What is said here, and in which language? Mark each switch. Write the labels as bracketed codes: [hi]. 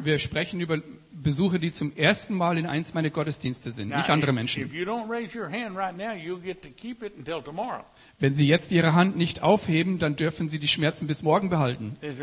[de] Wir sprechen über Besucher, die zum ersten Mal in eins meiner Gottesdienste sind, [en] now, [de] nicht andere Menschen. [en] If you don't raise your hand right now, you'll get to keep it until tomorrow. [de] Wenn Sie jetzt Ihre Hand nicht aufheben, dann dürfen Sie die Schmerzen bis morgen behalten.